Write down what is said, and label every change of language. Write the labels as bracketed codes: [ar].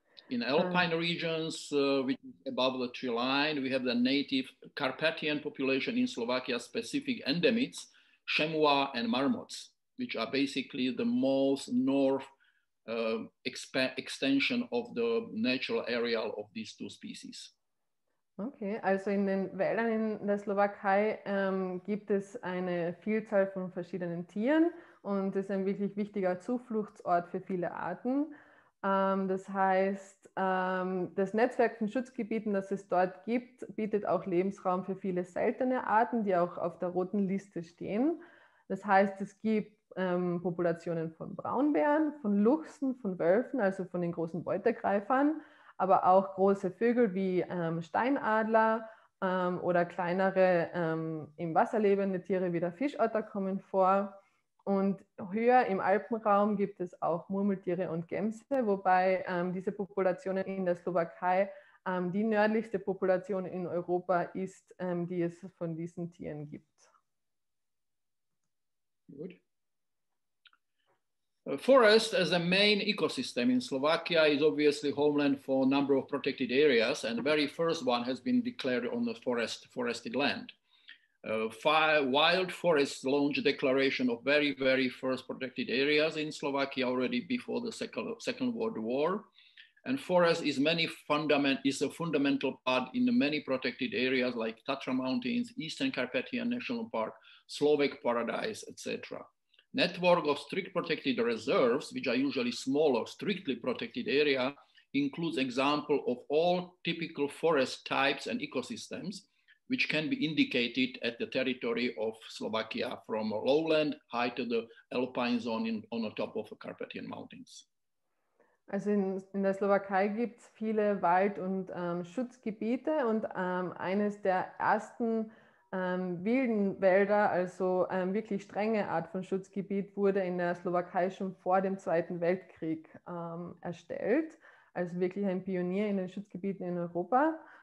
[en] In alpine regions, which is above the tree line, we have the native Carpathian population in Slovakia, specific endemics, chamois and marmots, which are basically the most north extension of the natural areal of these two species. [de] Okay, also in den Wäldern in der Slowakei gibt es eine Vielzahl von verschiedenen Tieren und es ist ein wirklich wichtiger Zufluchtsort für viele Arten. Das heißt, das Netzwerk von Schutzgebieten, das es dort gibt, bietet auch Lebensraum für viele seltene Arten, die auch auf der roten Liste stehen. Das heißt, es gibt Populationen von Braunbären, von Luchsen, von Wölfen, also von den großen Beutegreifern, aber auch große Vögel wie Steinadler oder kleinere im Wasser lebende Tiere wie der Fischotter kommen vor. Und höher im Alpenraum gibt es auch Murmeltiere und Gämsen, wobei diese Populationen in der Slowakei die nördlichste Population in Europa ist, die es von diesen Tieren gibt. [en] Good. Forest as a main ecosystem in Slovakia is obviously homeland for a number of protected areas, and the very first one has been declared on the forested land. Wild forests launched a declaration of very, very first protected areas in Slovakia already before the Second World War. And forest is a fundamental part in the many protected areas like Tatra Mountains, Eastern Carpathian National Park, Slovak Paradise, etc. Network of strict protected reserves, which are usually smaller, strictly protected area, includes example of all typical forest types and ecosystems, which can be indicated at the territory of Slovakia from lowland high to the alpine zone on the top of the Carpathian Mountains. [de] Also in der Slowakei gibt es viele Wald- und Schutzgebiete und eines der ersten wilden Wälder, also wirklich strenge Art von Schutzgebiet, wurde in der Slowakei schon vor dem Zweiten Weltkrieg erstellt, also wirklich ein Pionier in den Schutzgebieten in Europa.